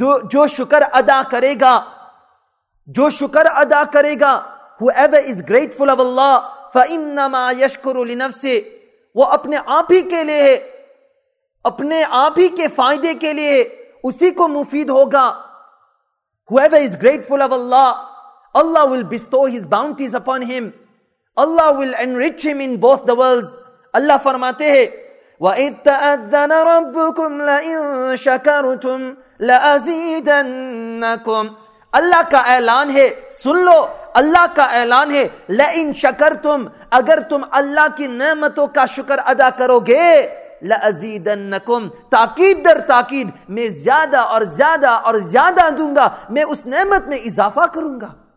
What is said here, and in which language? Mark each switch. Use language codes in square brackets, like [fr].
[ur] جو شکر ادا کرے گا, جو شکر ادا کرے گا, [en] whoever is grateful of Allah, [ar] فَإِنَّمَا يَشْكُرُ لِنَفْسِهِ, [ur] وہ اپنے آپ ہی کے لئے, اپنے آپ ہی کے فائدے کے لئے اسی کو مفید ہوگا. [en] Whoever is grateful of Allah, Allah will bestow His bounties upon him. Allah will enrich him in both the worlds. [ur] Allah فرماتے ہیں [ar] وَإِذْ تَأَذَّنَ رَبُّكُمْ لَإِنْ شَكَرْتُمْ لَأَزِيدَنَّكُمْ. [ur] اللہ کا اعلان ہے, سن لو, اللہ کا اعلان ہے, [ar] لَإِنْ شَكَرْتُمْ, [ur] اگر تم اللہ کی نعمتوں کا شکر ادا کرو گے, [ar] لَأَزِيدَنَّكُمْ, [ur] تاکید در تاکید میں زیادہ اور زیادہ اور زیادہ دوں گا, میں اس نعمت میں اضافہ کروں گا.